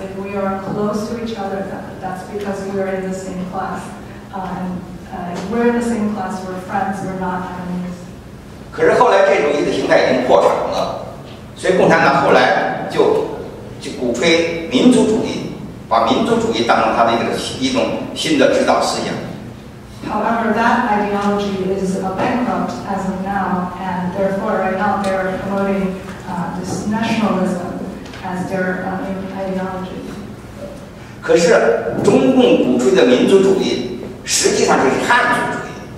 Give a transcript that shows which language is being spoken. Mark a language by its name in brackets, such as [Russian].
[English] If we are close to each other, that's because we're in the same class. If we're in the same class, we're friends, we're not enemies. [Chinese] 可是后来这种意识形态已经破产了，所以共产党后来就鼓吹民族主义，把民族主义当成他的一种新的指导思想。 [English] However, that ideology is bankrupt as of now, and therefore, right now, they're promoting this nationalism as their ideology. [Chinese] 可可是中共鼓吹的民族主义实际上就是汉族主义。